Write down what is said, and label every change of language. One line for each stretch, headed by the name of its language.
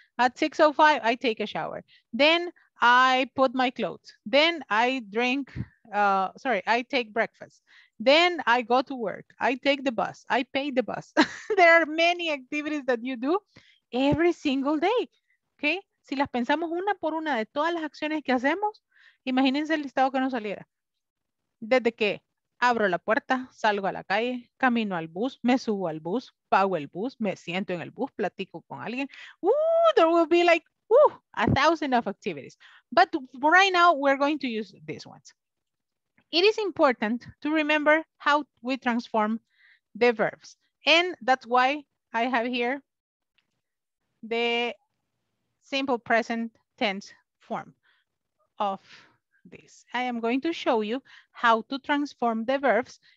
English: At 6:05, I take a shower. Then I put my clothes. Then I drink, I take breakfast. Then I go to work. I take the bus. I pay the bus. There are many activities that you do every single day. Okay?
Spanish: Si las pensamos una por una de todas las acciones que hacemos, imagínense el listado que nos saliera. ¿Desde qué? Abro la puerta, salgo a la calle, camino al bus, me subo al bus, pago el bus, me siento en el bus, platico con alguien.
English: There will be like 1,000 of activities. But right now we're going to use these ones. It is important to remember how we transform the verbs. And that's why I have here the simple present tense form of this. I am going to show you how to transform the verbs